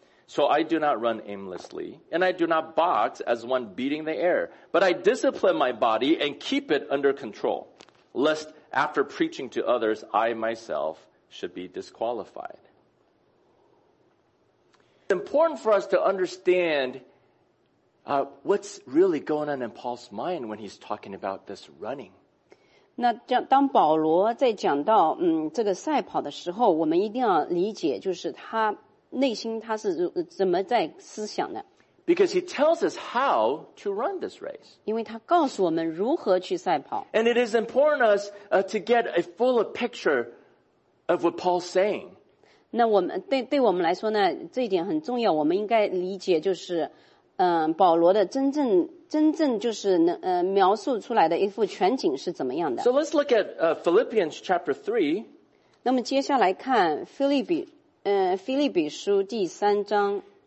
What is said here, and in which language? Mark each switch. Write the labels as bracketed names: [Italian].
[English] So I do not run aimlessly, and I do not box as one beating the air, but I discipline my body and keep it under control, lest after preaching to others, I myself should be disqualified. It's important for us to understand what's really going on in Paul's mind when he's talking about this running. [Chinese] 那当保罗在讲到这个赛跑的时候，我们一定要理解，就是他内心他是怎么在思想的。 [English] Because he tells us how to run this race. [Chinese] 因为他告诉我们如何去赛跑。 [English] And it is important us to get a fuller picture of what Paul's saying. [Chinese] 那我们对我们来说呢，这一点很重要。我们应该理解就是，保罗的真正就是描述出来的一幅全景是怎么样的。 [English] So let's look at Philippians chapter 3. [Chinese] 那么接下来看腓立比书第三章。